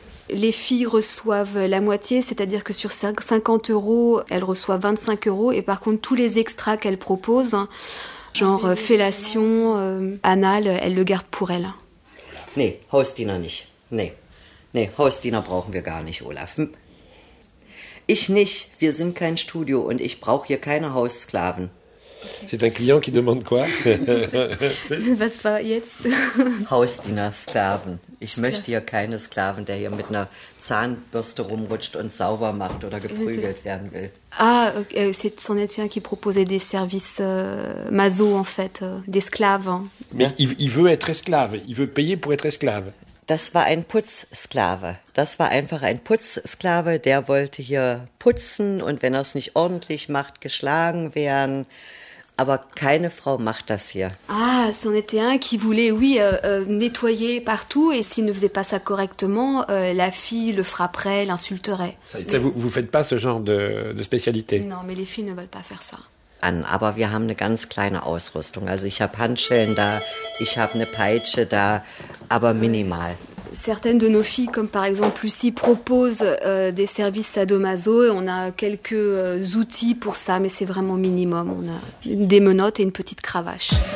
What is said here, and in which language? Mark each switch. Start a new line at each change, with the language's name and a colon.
French: Les filles reçoivent la moitié, c'est-à-dire que sur 50 euros, elles reçoivent 25 euros. Et par contre, tous les extras qu'elles proposent, genre fellation, anal, elles le gardent pour elles.
German: Nee, Hausdiener nicht. Nee. Nee, Hausdiener brauchen wir gar nicht, Olaf. Ich nicht. Wir sind kein Studio und ich brauche hier keine Haussklaven.
French: C'est un client qui demande quoi?
German: Was war jetzt? Hausdiener, Sklaven. Ich möchte hier keine Sklaven, der hier mit einer Zahnbürste rumrutscht und sauber macht oder geprügelt werden will. Ah, okay.
French: C'est son étien qui proposait des services maso, en fait, des Sklaven. Mais il veut être esclave, il veut payer pour être esclave.
German: Das war ein Putzsklave. Das war einfach ein Putzsklave, der wollte hier putzen und wenn er es nicht ordentlich macht, geschlagen werden. Aber keine Frau macht das hier.
French: Ah, c'en était un qui voulait, oui, nettoyer partout et s'il ne faisait pas ça correctement, la fille le frapperait, l'insulterait. Ça, vous ne faites pas ce genre de spécialité? Non, mais les filles ne veulent pas faire ça.
German: Aber wir haben eine ganz kleine Ausrüstung. Also ich habe Handschellen da, ich habe eine Peitsche da, aber minimal.
French: Certaines de nos filles, comme par exemple Lucie, proposent des services sadomaso et on a quelques outils pour ça, mais c'est vraiment minimum. On a des menottes et une petite cravache.